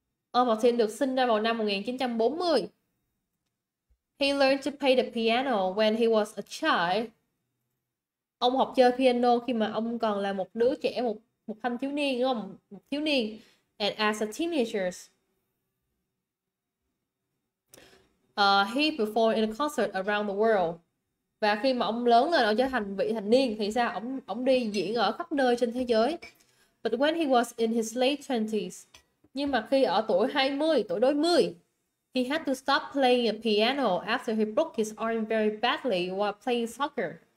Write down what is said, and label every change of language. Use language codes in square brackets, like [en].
[vi] Ông Martin được sinh ra vào năm 1940. [en] He learned to play the piano when he was a child. [vi] Ông học chơi piano khi mà ông còn là một đứa trẻ, một thanh thiếu niên, đúng không? Một thiếu niên. [en] And as a teenager, he performed in a concert around the world. [vi] Và khi mà ông lớn lên, ông trở thành vị thành niên thì sao? Ông đi diễn ở khắp nơi trên thế giới. [en] But when he was in his late 20s, [vi] nhưng mà khi ở tuổi 20, tuổi đôi mươi, [en] he had to stop playing the piano after he broke his arm very badly while playing soccer.